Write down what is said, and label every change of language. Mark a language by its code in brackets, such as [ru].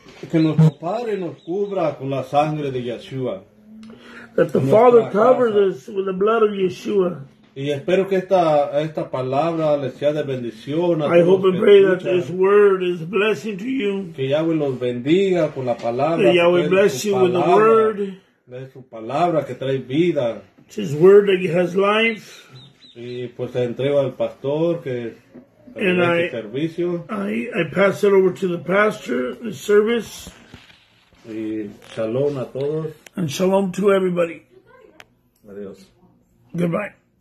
[es] Que nuestro Padre nos cubra con la sangre de Yeshua. [en] That the Father covers us with the blood of Yeshua. [es] Y espero que esta palabra les sea de bendición a todos. [en] I hope and pray that this word is a blessing to you. [es] Que Yahweh los bendiga con la palabra. [en] That Yahweh bless you with the word. [es] Es su palabra que trae vida. [en] It's his word that has life. [es] Y pues le entrego al pastor que en este servicio. [en] I pass it over to the pastor, the service. [es] Y shalom a todos. [en] And shalom to everybody. [es] Adiós. [en] Goodbye.